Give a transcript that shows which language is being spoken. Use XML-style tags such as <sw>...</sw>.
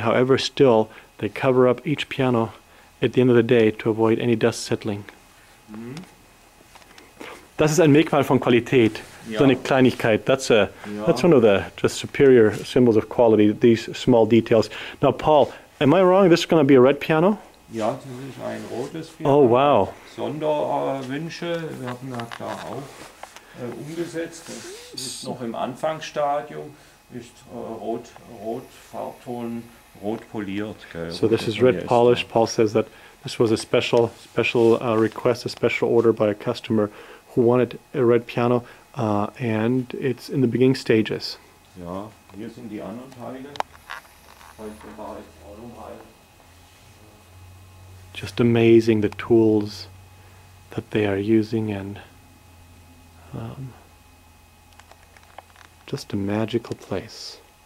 <en>However, still they cover up each piano at the end of the day to avoid any dust settling. Mm-hmm.</en> <de>Das ist ein Merkmal von Qualität. Ja. So eine Kleinigkeit,</de> <en>that's a,</en> <de>ja.</de> <en>that's one of the just superior symbols of quality, these small details. Now, Paul, am I wrong? This is going to be a red piano?</en> <de>Ja, das ist ein rotes</de> <en>Piano. Oh, wow.</en> <de>Sonderwünsche werden da auch umgesetzt. Das ist noch im Anfangsstadium, ist rot, Farbton, rot poliert. Gell?</de> <en>So this is red polished. Paul says that this was a special request, a special order by a customer who wanted a red piano. And it's in the beginning stages.</en> <de>Ja, hier sind die anderen Teile. Heute war ich auch noch mal.</de> <en>Just amazing the tools that they are using and just a magical place.</en>